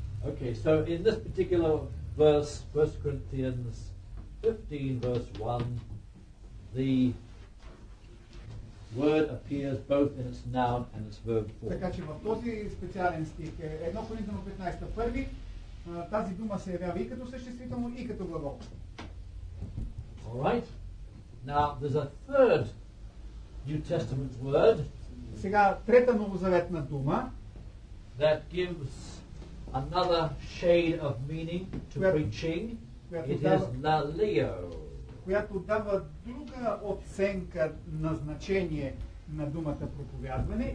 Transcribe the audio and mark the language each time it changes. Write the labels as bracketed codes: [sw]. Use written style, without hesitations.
[en] Okay, so in this particular verse, 1 Corinthians 15, verse 1, the word appears both in its noun and its verb form. [bg] Така че в този специален стих, 1 Коринтиано 15, първи, тази дума се явява и като съществително, и като глагол. [en] All right. Now, there's a third New Testament word. [bg] Сега, трета новозаветна дума, [en] that gives another shade of meaning to preaching. It is laleo. [bg] Която дава друга оценка на значение на думата проповядване.